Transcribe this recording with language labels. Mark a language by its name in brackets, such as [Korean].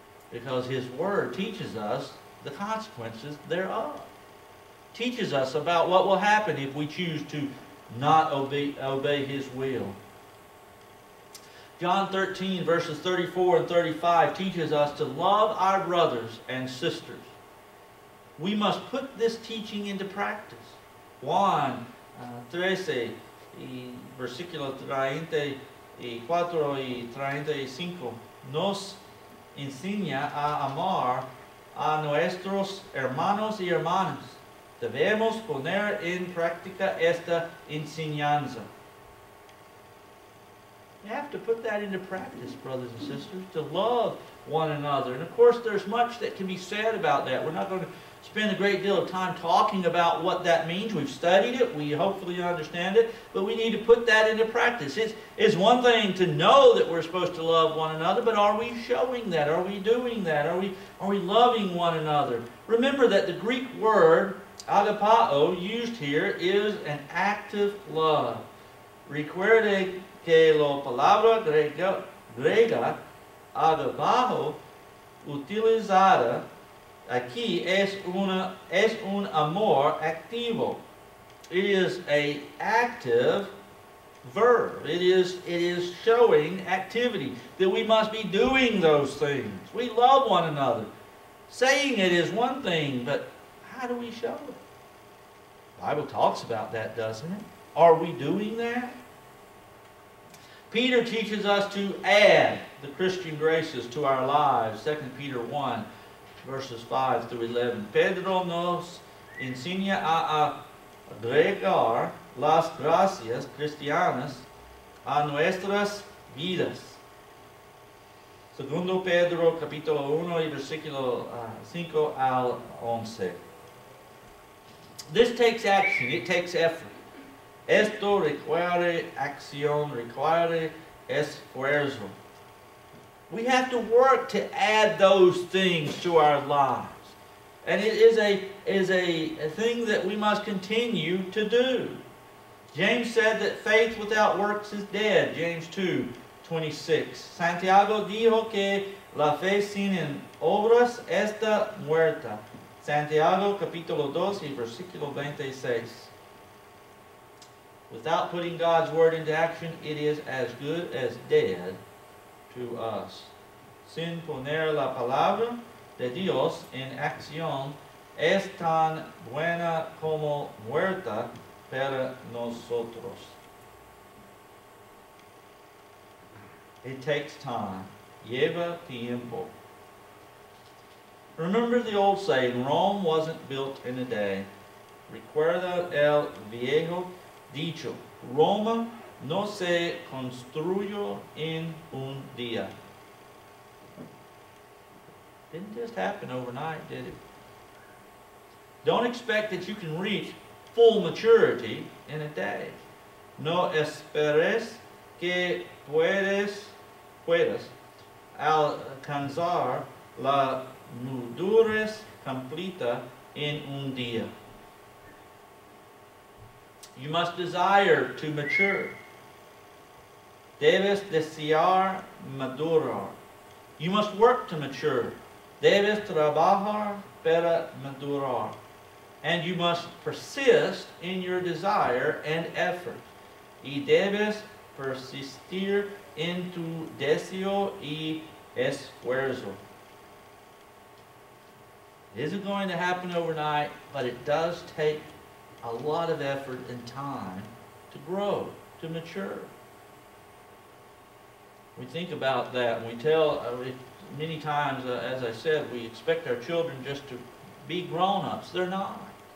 [English] Because His Word teaches us the consequences thereof. Teaches us about what will happen if we choose to not obey His will. John 13, verses 34 and 35 teaches us to love our brothers and sisters. We must put this teaching into practice. [Spanish] Juan 13, versículo 34 y 35 nos enseña a amar a nuestros hermanos y hermanas. Debemos poner en práctica esta enseñanza. [English] You have to put that into practice, brothers and sisters, to love one another. And of course, there's much that can be said about that. We're not going to spend a great deal of time talking about what that means. We've studied it. We hopefully understand it. But we need to put that into practice. It's one thing to know that we're supposed to love one another, but are we showing that? Are we doing that? Are we loving one another? Remember that the Greek word agapao, used here, is an active love. [Spanish] Recuerde que la palabra griega agapao utilizada aquí es un amor activo. [English] It is an active verb. It is showing activity that we must be doing those things. We love one another. Saying it is one thing, but how do we show it? Bible talks about that, doesn't it? Are we doing that? Peter teaches us to add the Christian graces to our lives. 2 Peter 1, verses 5 through 11. [Spanish] Pedro nos enseña a agregar las gracias cristianas a nuestras vidas. Segundo Pedro, capítulo 1, versículo 5 al 11. [English] This takes action. It takes effort. [Spanish] Esto requiere acción, requiere esfuerzo. [English] We have to work to add those things to our lives. And it is a thing that we must continue to do. James said that faith without works is dead. James 2, 26. [Spanish] Santiago dijo que la fe sin obras está muerta. Santiago, capítulo 2, versículo 26. [English] Without putting God's Word into action, it is as good as dead to us. [Spanish] Sin poner la palabra de Dios en acción, es tan buena como muerta para nosotros. [English] It takes time. [Spanish] Lleva tiempo. [English] Remember the old saying, Rome wasn't built in a day. [Spanish] Recuerda el viejo dicho, Roma no se construyó en un día. [English] Didn't just happen overnight, did it? Don't expect that you can reach full maturity in a day. [Spanish] No esperes que puedas alcanzar la madurez completa en un día. [English] You must desire to mature. [Spanish] Debes desear madurar. [English] You must work to mature. [Spanish] Debes trabajar para madurar. [English] And you must persist in your desire and effort. [Spanish] Y debes persistir en tu deseo y esfuerzo. [English] It isn't going to happen overnight, but it does take a lot of effort and time to grow, to mature. We think about that. We tell many times, as I said, we expect our children just to be grown-ups. They're not.